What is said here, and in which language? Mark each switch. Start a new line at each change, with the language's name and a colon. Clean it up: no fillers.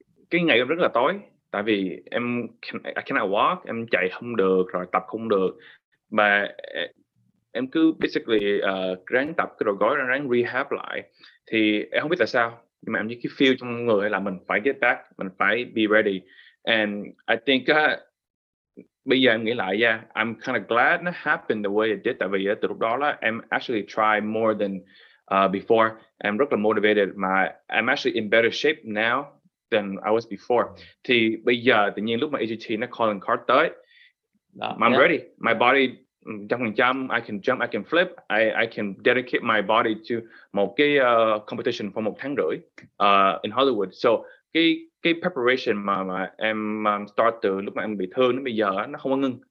Vietnamese: cái ngày rất là tối, tại vì em
English: I cannot walk,
Vietnamese: em chạy không được rồi tập không được, mà em cứ basically ráng tập cái rồi gói ráng rehab lại, thì em không biết tại sao nhưng mà em như cái feel trong người là mình phải
English: get back,
Vietnamese: mình phải
English: be ready, and I think
Vietnamese: bây giờ em nghĩ lại,
English: I'm kind of glad it happened the way it did.
Vietnamese: Tại vì từ lúc đó là em
English: actually try more than before. I'm
Vietnamese: rất là
English: motivated. I'm actually in better shape now than I was before.
Vietnamese: Thì bây giờ tự nhiên lúc mà AGT nó
English: calling card
Vietnamese: tới,
English: I'm ready. My body 100%. I can jump. I can flip. I can dedicate my body to
Vietnamese: một cái
English: competition for
Vietnamese: một tháng rưỡi
English: in Hollywood.
Vietnamese: So cái preparation mà em start từ lúc mà em bị thương đến bây giờ nó không có ngưng.